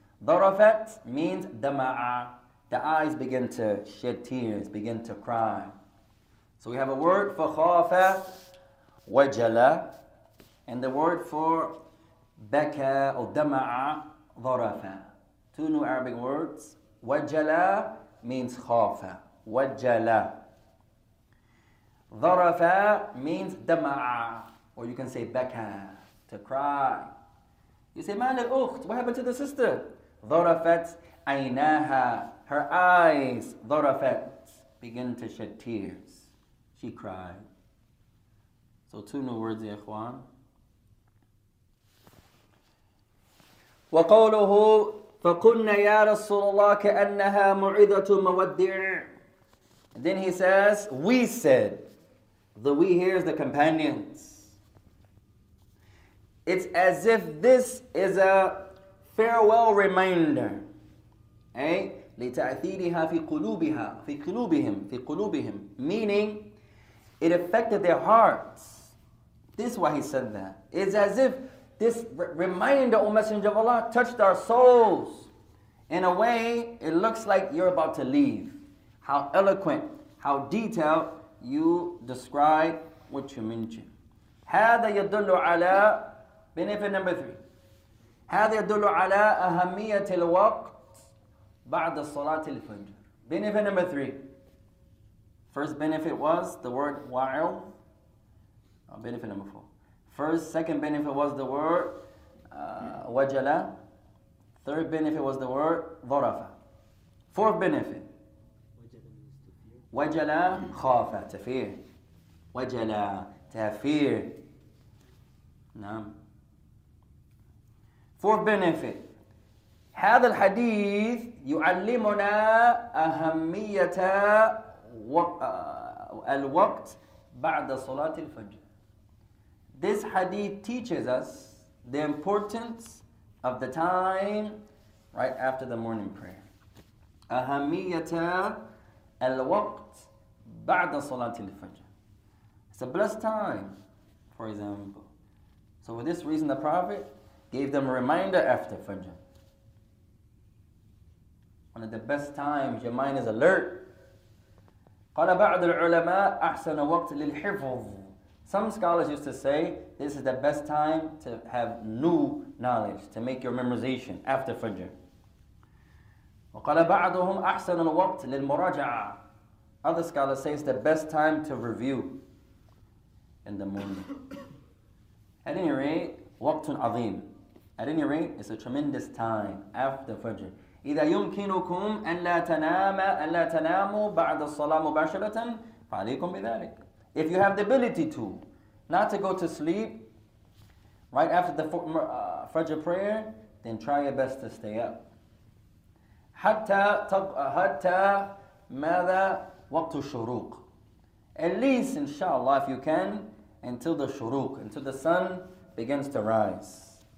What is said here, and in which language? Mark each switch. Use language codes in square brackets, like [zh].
[ar] ضرفت [en] means [ar] دمع. [en] The eyes begin to shed tears, begin to cry. So we have a word for [ar] خاف وجل. [en] And the word for [ar] بكى أو دمع ضرفة. [en] Two new Arabic words. [ar] وجل means خاف. وجل. ضرفة [en] means [ar] دمع. [en] Or you can say [ar] بكى, [en] to cry. You say, [ar] ما للأخت, [en] what happened to the sister? [ar] ضرفت عيناها. [en] Her eyes [ar] ضرفت. [en] Begin to shed tears. She cried. So two new words, [ar] يا إخوان. وقوله فقلنا يا رسول الله كأنها معيدة مودع. [en] Then he says, we said. The we here is the companions. It's as if this is a farewell reminder. [ar] لتأثيرها في قلوبها في قلوبهم في قلوبهم. [en] Meaning, it affected their hearts. This is why he said that. It's as if this reminder, O Messenger of Allah, touched our souls. In a way, it looks like you're about to leave. How eloquent, how detailed you describe what you mention. [ar] هذا يدل على [en] benefit number three. [ar] هذا يدل على أهمية الوقت بعد صلاة الفجر. [en] Benefit number three. First benefit was the word واعظ. Benefit number four. First, second benefit was the word وجلة. Third benefit was the word ضرفة. Fourth benefit. [ar] وجلة خافة, [en] to fear. [ar] وجلة, [en] to have fear. [ar] نعم. [en] Fourth benefit. [ar] هذا الحديث يعلمنا أهمية الوقت بعد صلاة الفجر. [en] This hadith teaches us the importance of the time right after the morning prayer. [ar] أهمية الوقت بعد صلاة الفجر. [en] It's a blessed time, for example. So for this reason, the Prophet gave them a reminder after Fajr. One of the best times your mind is alert. [ar] قال بعض العلماء أحسن وقت للحفظ. [en] Some scholars used to say this is the best time to have new knowledge, to make your memorization after Fajr. [ar] وقال بعضهم أحسن الوقت للمراجعة. [en] Other scholars say it's the best time to review in the morning. At any rate, [ar] وقت عظيم. [en] At any rate, it's a tremendous time after Fajr. [ar] إذا يمكنكم أن لا تنام أن لا تناموا بعد الصلاة مباشرة فعليكم بذلك. [en] If you have the ability to, not to go to sleep right after the Fajr prayer, then try your best to stay up. [ar] حتى ماذا وقت الشروق. [en] At least, inshallah, if you can, until the shuruq, until the sun begins to rise.